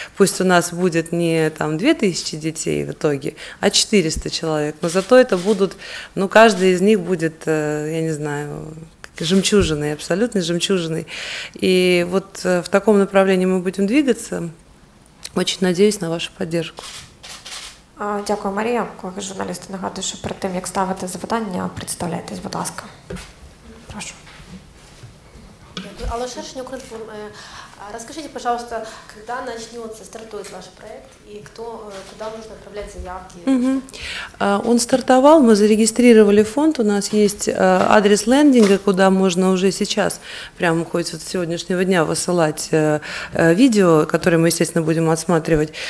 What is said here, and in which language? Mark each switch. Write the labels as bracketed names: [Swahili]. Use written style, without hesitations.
[Russian] Пусть у нас будет не там 2000 детей в итоге, а 400 человек, но зато это будут, ну, каждый из них будет, я не знаю, жемчужиной, абсолютной жемчужиной. И вот в таком направлении мы будем двигаться. Очень надеюсь на вашу поддержку. [Ukrainian] Дякую, Марія. Коли журналісти, нагадую, що перед тим, як ставити запитання, представляйтесь, будь ласка. Прошу. Алла Шершень. [Russian] Расскажите, пожалуйста, когда начнется, стартует ваш проект и кто, куда нужно отправлять заявки? Он стартовал, мы зарегистрировали фонд, у нас есть адрес лендинга, куда можно уже сейчас, прямо хоть с сегодняшнего дня, высылать видео, которое мы, естественно, будем отсматривать.